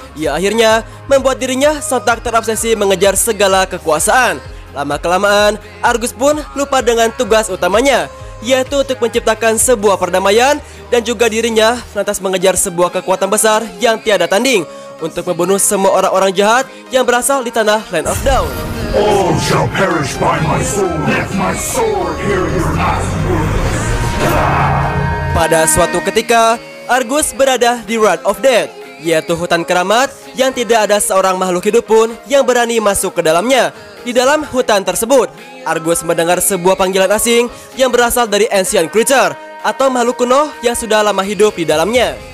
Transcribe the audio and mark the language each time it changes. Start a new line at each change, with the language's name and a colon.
Indonesian: Ia akhirnya membuat dirinya sontak terobsesi mengejar segala kekuasaan. Lama-kelamaan, Argus pun lupa dengan tugas utamanya, yaitu untuk menciptakan sebuah perdamaian, dan juga dirinya lantas mengejar sebuah kekuatan besar yang tiada tanding untuk membunuh semua orang-orang jahat yang berasal di tanah Land of Dawn.
English: All shall perish by my sword. Let my sword hear your last words.
Indonesian: Pada suatu ketika, Argus berada di Realm of Dead, yaitu hutan keramat yang tidak ada seorang makhluk hidup pun yang berani masuk ke dalamnya. Di dalam hutan tersebut, Argus mendengar sebuah panggilan asing yang berasal dari Ancient Creature atau makhluk kuno yang sudah lama hidup di dalamnya.